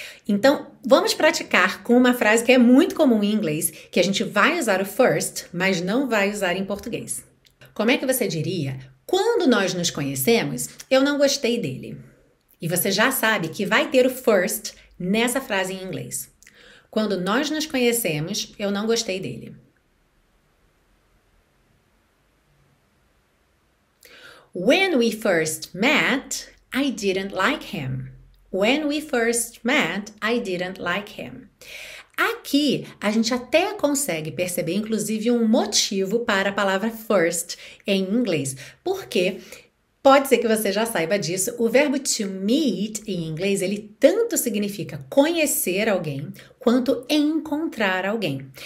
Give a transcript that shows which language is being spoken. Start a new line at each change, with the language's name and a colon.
Portuguese: Então, vamos praticar com uma frase que é muito comum em inglês, que a gente vai usar o first, mas não vai usar em português. Como é que você diria? Quando nós nos conhecemos, eu não gostei dele. E você já sabe que vai ter o first nessa frase em inglês. Quando nós nos conhecemos, eu não gostei dele.
English: When we first met, I didn't like him. When we first met, I didn't like him.
Portuguese: Aqui, a gente até consegue perceber, inclusive, um motivo para a palavra first em inglês. Por quê? Pode ser que você já saiba disso, o verbo to meet em inglês, ele tanto significa conhecer alguém, quanto encontrar alguém.